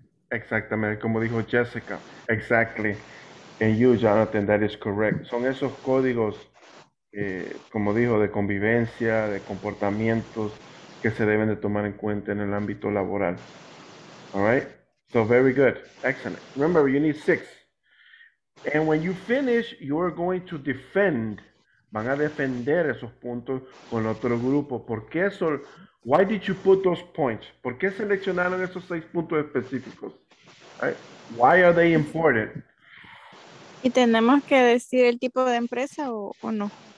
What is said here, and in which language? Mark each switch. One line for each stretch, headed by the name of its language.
Spanish: exactamente, como dijo
English: Jessica, exactly, and you, Jonathan, that is correct.
Spanish: Son esos códigos, como dijo, de convivencia, de comportamientos que se deben de tomar en cuenta en el ámbito laboral.
English: All right, so very good, excellent. Remember, you need six, and when you finish, you are going to defend.
Spanish: Van a defender esos puntos con otro grupo. ¿Por qué eso?
English: Why did you put those points?
Spanish: ¿Por qué seleccionaron esos seis puntos específicos? Right.
English: Why are they important?
Spanish: ¿Y tenemos que decir el tipo de empresa o no?